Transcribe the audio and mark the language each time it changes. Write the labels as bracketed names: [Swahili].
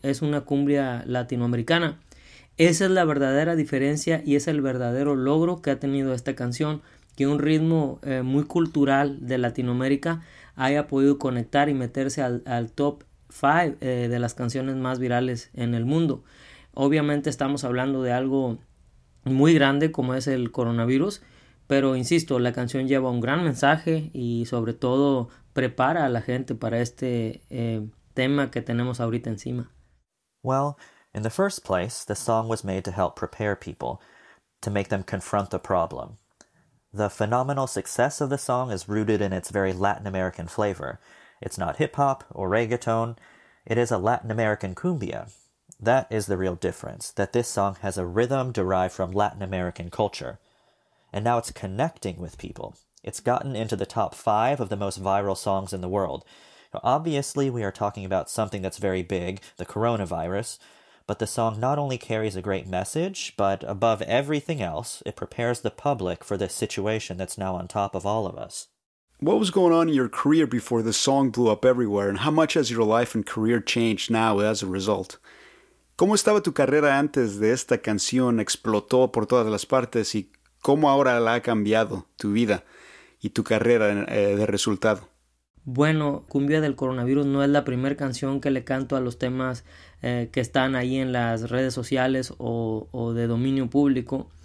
[Spanish] Es una cumbia latinoamericana. Esa es la verdadera diferencia y es el verdadero logro que ha tenido esta canción, que un ritmo muy cultural de Latinoamérica haya podido conectar y meterse al top 5 de las canciones más virales en el mundo. Obviamente estamos hablando de algo muy grande como es el coronavirus, pero insisto, la canción lleva un gran mensaje y sobre todo prepara a la gente para este tema que tenemos ahorita encima. [English] Well, in the first place, the song was made to help prepare people, to make them confront the problem. The phenomenal success of the song is rooted in its very Latin American flavor. It's not hip-hop or reggaeton, it is a Latin American cumbia. That is the real difference, that this song has a rhythm derived from Latin American culture. And now it's connecting with people, It's gotten into the top five of the most viral songs in the world. Now, obviously, we are talking about something that's very big, the coronavirus, but the song not only carries a great message, but above everything else, it prepares the public for this situation that's now on top of all of us. What was going on in your career before this song blew up everywhere, and how much has your life and career changed now as a result? [Spanish] ¿Cómo estaba tu carrera antes de esta canción explotó por todas las partes y cómo ahora la ha cambiado tu vida y tu carrera de resultado? Bueno, Cumbia del Coronavirus no es la primera canción que le canto a los temas que están ahí en las redes sociales o de dominio público.